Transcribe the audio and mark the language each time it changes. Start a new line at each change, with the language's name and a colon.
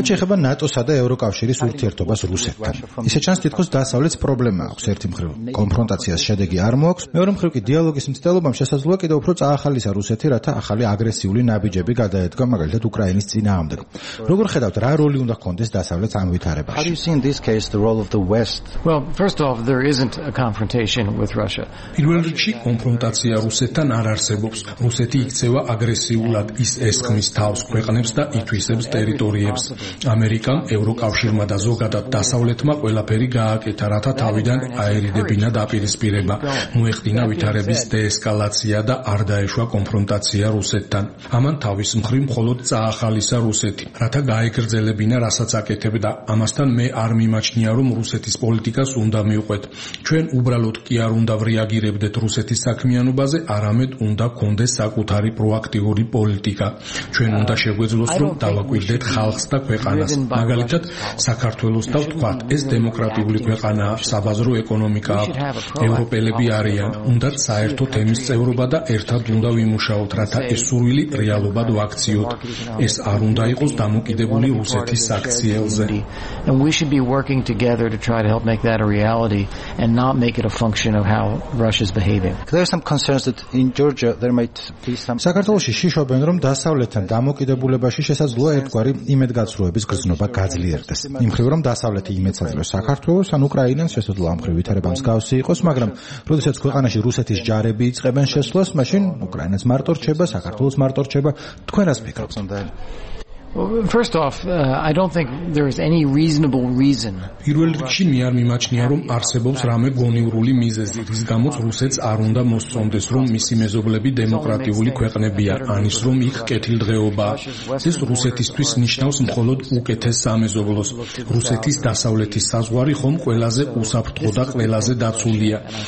Russian: Ну,
Georgian: чехаба НАТОსა და ევროკავშირის ურთიერთობას რუსეთთან. ისე ჩანს, თითქოს დასავლეთს პრობლემა აქვს ერთი მხრივ. კონფრონტაციას შედეგი არ მოაქვს, მეორე მხრივ კი დიალოგის მცდელობამ შესაძლოა კიდევ უფრო წაახალისა რუსეთი, რათა ახალი აგრესიული ნაბიჯები გადაედგა მაგალითად უკრაინის წინააღმდეგ. როგორ ხედავთ, რა როლი უნდა ჰქონდეს დასავლეთს ამ ვითარებაში?
English: How do you see in this case the role of the West? Well, first of all, there isn't a confrontation with Russia.
Georgian: პირველ რიგში კონფრონტაცია რუსეთთან არ არსებობს. რუსეთი იქცევა აგრესიულ ის ესხმის თავს ქვეყნებს და ითვისებს ტერიტორიებს. ამერიკამ, ევროკავშირმა და ზოგადად დასავლეთმა ყველაფერი გააკეთა, რათა თავიდან აერიდებინა დაპირისპირება, მოეხდინა ვითარების დეესკალაცია და არ დაეშვა კონფრონტაცია რუსეთთან. ამან თავის მხრივ მხოლოდ წაახალისა რუსეთი, რათა გაეგრძელებინა რასაც აკეთებდა. ამასთან მე არ მიმაჩნია, რომ რუსეთის პოლიტიკას უნდა მიუყვეთ. ჩვენ უბრალოდ კი არ უნდა ვრეაგირებდეთ რუსეთის საქმიანობაზე, არამედ უნდა გქონდეს საკუთარი პროაქტიური პოლიტიკა. ჩვენ უნდა შეგვეძლოს, რომ დავაკვირდეთ ხალხს და ქვეყანას. მაგალითად, საქართველოს და ვთქვათ, ეს დემოკრატიული ქვეყანაა, საბაზრო ეკონომიკა აქვს, ევროპელები არიან, უნდათ საერთო თემის წევრობა და ერთად უნდა ვიმუშაოთ, რათა ეს სურვილი რეალობად ვაქციოთ. ეს არ უნდა იყოს დამოკიდებული რუსეთის საქციელზე.
English: And we should be working together to try to help make that a reality and not make it a function of how Russia is behaving. There are some concerns that in Georgia there might be some
Georgian: საქართველოს შიშობენ, რომ დასავლეთთან დამოკიდებულებაში შესაძლოა ერთგვარი იმედგაცრუების გრძნობა გაძლიერდეს. იმხრივ, რომ დასავლეთი იმედსაძლოს საქართველოს ან უკრაინას, შესაძლოა ამხრივ ვითარება მსგავსი იყოს, მაგრამ როდესაც ქვეყანაში რუსეთის ჯარები იწყებენ შესვლას, მაშინ უკრაინას მარტო რჩება, საქართველოს მარტო რჩება. თქვენ რას ფიქრობთ?
English: Well, first off, I don't think there is any reasonable reason.
Georgian: პირველ რიგში მე არ მიმაჩნია, რომ არსებობს რამე გონივრული მიზეზი, რის გამოც რუსეთს არ უნდა მოსწონდეს, რომ მისი მეზობლები დემოკრატიული ქვეყნებია, ან ის, რომ იქ კეთილდღეობა. ეს რუსეთისთვის ნიშნავს მხოლოდ უკეთეს სამეზობლოს. რუსეთის დასავლეთის საზღვარი ხომ ყველაზე უსაფრთხო და ყველაზე დაცულია.